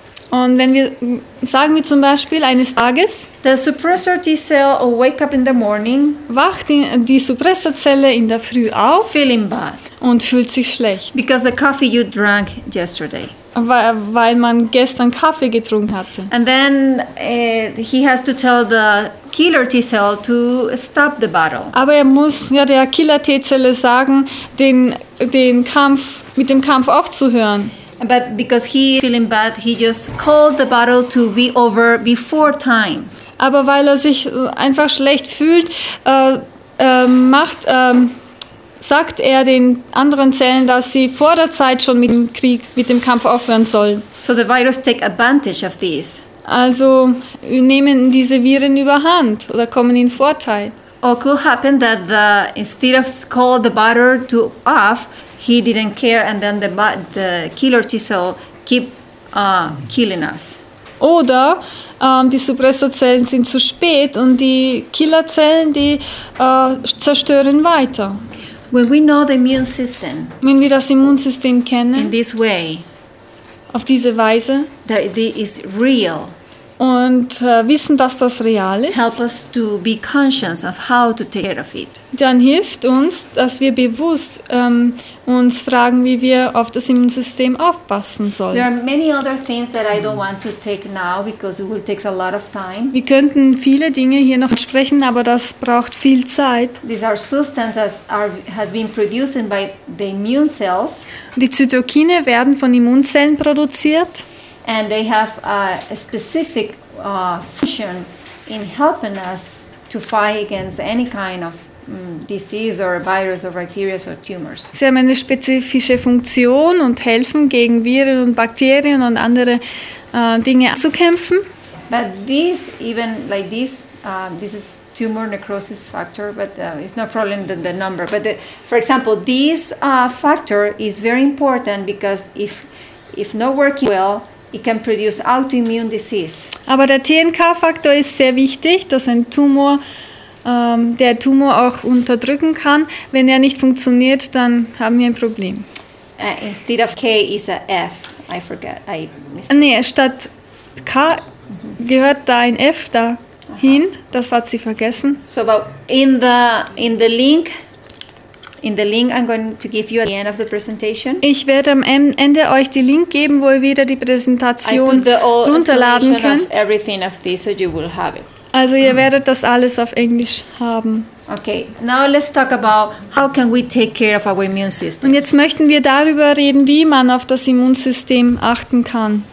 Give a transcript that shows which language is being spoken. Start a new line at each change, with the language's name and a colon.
German: Und wenn wir sagen wir zum Beispiel eines Tages.
English: The suppressor T cell will wake up in the morning.
German: Wacht die Suppressorzelle in der Früh auf.
English: Feeling bad.
German: Und fühlt sich schlecht.
English: Because the coffee you drank yesterday.
German: Weil man gestern Kaffee getrunken hatte.
English: And then he has to tell the killer T-cell to stop the battle.
German: Aber er muss ja der Killer T-Zelle sagen, den Kampf mit dem Kampf aufzuhören.
English: But because he is feeling bad, he just called the battle to be over before time.
German: Aber weil er sich einfach schlecht fühlt, sagt er den anderen Zellen, dass sie vor der Zeit schon mit dem Krieg, mit dem Kampf aufhören sollen.
English: So the virus take advantage of this.
German: Also nehmen diese Viren überhand oder kommen in Vorteil.
English: Or could happen that instead of call the battle to off, he didn't care and then the killer T-cell keep killing us.
German: Oder die Suppressorzellen sind zu spät und die Killerzellen, die zerstören weiter.
English: When we know the immune system,
German: wenn wir das Immunsystem kennen,
English: in this way,
German: auf diese Weise,
English: that it is real,
German: und wissen, dass das real ist,
English: help us to be conscious of how to take care of it.
German: Dann hilft uns, dass wir bewusst uns fragen, wie wir auf das Immunsystem aufpassen sollen.
English: There are many other things that I don't want to take now because it will take a lot of time.
German: Wir könnten viele Dinge hier noch sprechen, aber das braucht viel Zeit.
English: These are substances that has been produced by the immune cells.
German: Die Zytokine werden von Immunzellen produziert.
English: And they have a specific function in helping us to fight against any kind of disease or virus or bacteria or tumors.
German: Sie haben eine spezifische Funktion und helfen gegen Viren und Bakterien und andere Dinge zu kämpfen.
English: But this, even like this, this is tumor necrosis factor, but it's no problem in the number. But for example, this factor is very important because if not working well, it can produce autoimmune disease.
German: Aber der TNK-Faktor ist sehr wichtig, dass ein Tumor, der Tumor auch unterdrücken kann. Wenn er nicht funktioniert, dann haben wir ein Problem.
English: Instead of K is a F. I forget. I miss.
German: Nee, statt K gehört da ein F dahin. Aha. Das hat sie vergessen.
English: So, but in the link, In the link I'm going to give you at the end of the presentation.
German: Ich werde am Ende euch den Link geben, wo ihr wieder die Präsentation runterladen könnt.
English: Of everything of this, so you will have it.
German: Also ihr werdet das alles auf Englisch haben.
English: Okay, now let's talk about how can we take care of our immune system.
German: Und jetzt möchten wir darüber reden, wie man auf das Immunsystem achten kann.